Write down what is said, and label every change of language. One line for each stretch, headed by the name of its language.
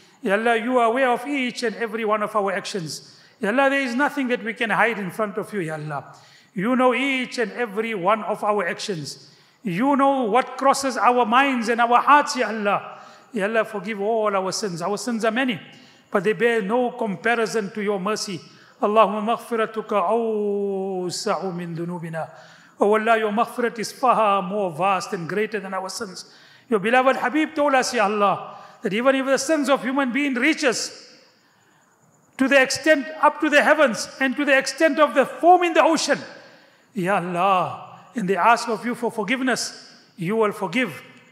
English: Ya Allah, you are aware of each and every one of our actions. Ya Allah, there is nothing that we can hide in front of you, Ya Allah. You know each and every one of our actions. You know what crosses our minds and our hearts, Ya Allah. Ya Allah, forgive all our sins. Our sins are many. But they bear no comparison to your mercy.
Arabic: اللهم مغفرتك أوسع من ذنوبنا.
English: Oh Allah, your maghfirat is far more vast and greater than our sins. Your beloved Habib told us, Ya Allah, that even if the sins of human being reaches to the extent up to the heavens and to the extent of the foam in the ocean, Ya Allah, in the ask of you for forgiveness, you will forgive.